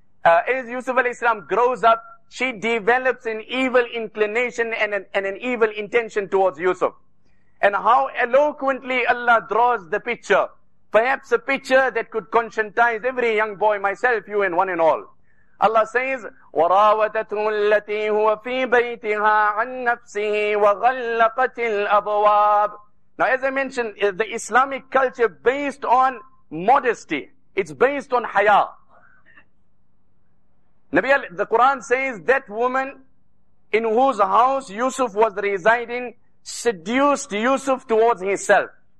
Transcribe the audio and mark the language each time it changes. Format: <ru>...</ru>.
<en>As Yusuf alayhi salam grows up, she develops an evil inclination and an evil intention towards Yusuf. And how eloquently Allah draws the picture. Perhaps a picture that could conscientize every young boy, myself, you and one and all. Allah says,</en> <ar>وَرَاوَدَتْهُ الَّتِي هُوَ فِي بَيْتِهَا عَنْ نَفْسِهِ وَغَلَّقَتِ الْأَبْوَابِ.</ar> <en>Now as I mentioned, the Islamic culture based on modesty. It's based on haya. Nabi Ali, the Quran says that woman in whose house Yusuf was residing seduced Yusuf towards himself.</en>